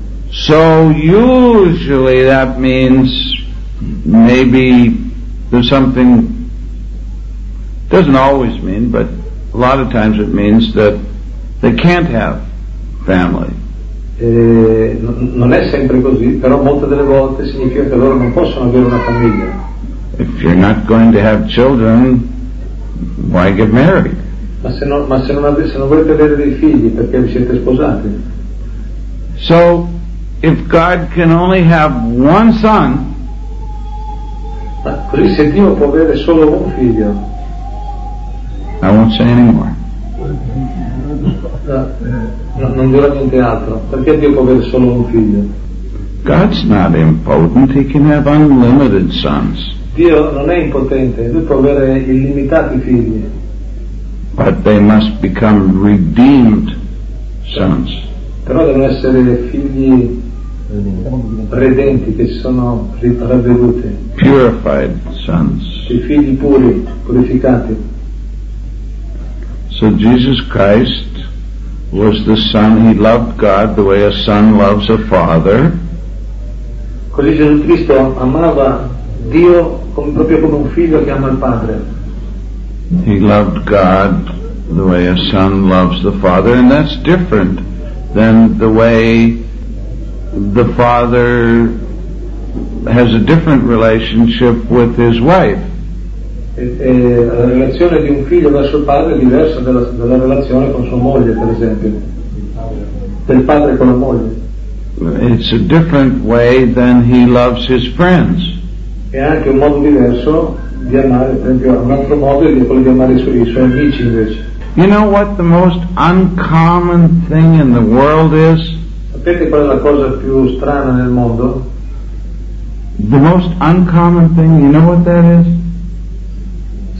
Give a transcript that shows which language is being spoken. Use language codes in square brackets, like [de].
[en] So usually that means maybe there's something, doesn't always mean, but a lot of times it means that they can't have family. [it] Non è sempre così, però molte delle volte significa che loro non possono avere una famiglia. [en] If you're not going to have children, why get married? [it] Ma se non volete avere dei figli, perché vi siete sposati? [en] So, if God can only have one son, [it] ma così se Dio può avere solo un figlio, [en] I won't say anymore. [it] Non dirò niente altro. Perché Dio può avere solo un figlio? [en] God's not impotent. He can have unlimited sons. [it] Dio non è impotente, lui può avere illimitati figli. [en] But they must become redeemed sons. [it] Però devono essere figli redenti, che sono ravveduti. [en] Purified sons. sons. [it] I figli puri, purificati. [en] So Jesus Christ was the Son. He loved God the way a son loves a father. [it] Così Gesù Cristo amava Dio proprio come un figlio che ama il padre. [en] He loved God the way a son loves the father, and that's different than the way the father has a different relationship with his wife. [it] La relazione di un figlio verso il padre è diversa dalla relazione con sua moglie, per esempio, del padre con la moglie. [en] It's a different way than he loves his friends. [it] È anche un modo diverso di amare, per esempio, un altro modo è quello di amare i suoi amici invece. [en] You know what the most uncommon thing in the world is? [it] Sapete qual è la cosa più strana nel mondo? [en] The most uncommon thing, you know what that is?